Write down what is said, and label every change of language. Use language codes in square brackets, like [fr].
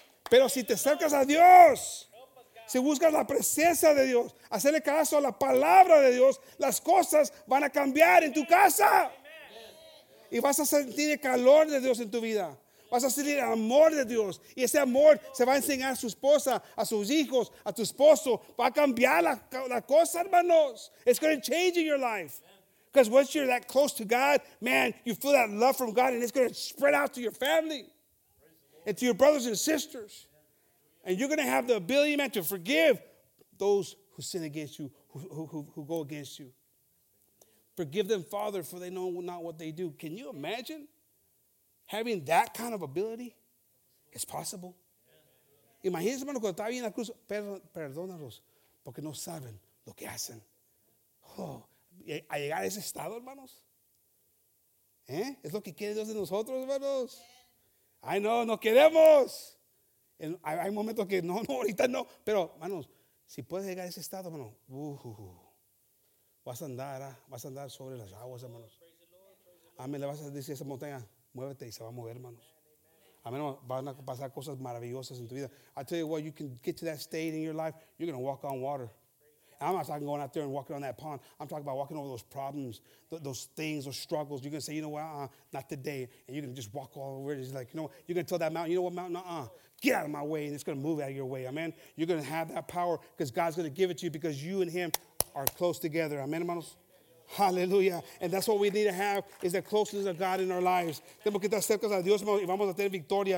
[es] Pero si te acercas a Dios, si buscas la presencia de Dios, hacerle caso a la palabra de Dios, las cosas van a cambiar en tu casa. Y vas a sentir el calor de Dios en tu vida. Vas a sentir el amor de Dios. Y ese amor se va a enseñar a su esposa, a sus hijos, a tu esposo. Va a cambiar la cosa, hermanos. [en] It's going to change in your life. Because once you're that close to God, man, you feel that love from God, and it's going to spread out to your family. And to your brothers and sisters. And you're going to have the ability, man, to forgive those who sin against you, who go against you. Forgive them, Father, for they know not what they do. Can you imagine having that kind of ability? It's possible. [es] Imagínense, hermano, cuando estaba en la cruz, perdónalos, porque no saben lo que hacen. Oh, a llegar a ese estado, hermanos. Es lo que quiere Dios de nosotros, hermanos. Ay, no queremos. Hay momentos que no, ahorita no. Pero, hermanos, si puedes llegar a ese estado, hermano, vas a andar sobre las aguas, hermanos. Amén, le vas a decir a esa montaña, muévete, y se va a mover, hermanos. Amen. Van a pasar cosas maravillosas en tu vida. [en] I tell you what, you can get to that state in your life, you're going to walk on water. I'm not talking going out there and walking on that pond. I'm talking about walking over those problems, those things, those struggles. You're going to say, you know what, not today. And you're going to just walk all over it. It's like, you know what? You're going to tell that mountain, you know what, mountain, get out of my way. And it's going to move out of your way. Amen. You're going to have that power because God's going to give it to you because you and him are close together. Amen, hermanos. Hallelujah. And that's what we need to have is the closeness of God in our lives. [es] Tenemos que estar cerca de Dios, hermanos, y vamos a tener victoria.